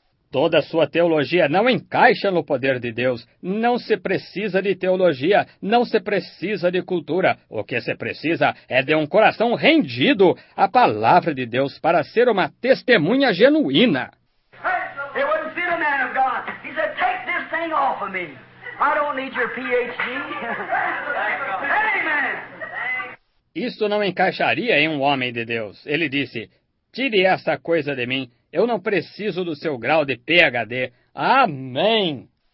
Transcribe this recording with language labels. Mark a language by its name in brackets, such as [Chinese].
[Portuguese] Toda sua teologia não encaixa no poder de Deus. Não se precisa de teologia, não se precisa de cultura. O que se precisa é de um coração rendido à palavra de Deus para ser uma testemunha genuína. [English] It wouldn't fit a man of God. He said, take this thing off of me. I don't need your PhD. Amen. [Portuguese] Isto não encaixaria em um homem de Deus. Ele disse, tire essa coisa de mim. Eu não preciso do seu grau de PhD. Amém!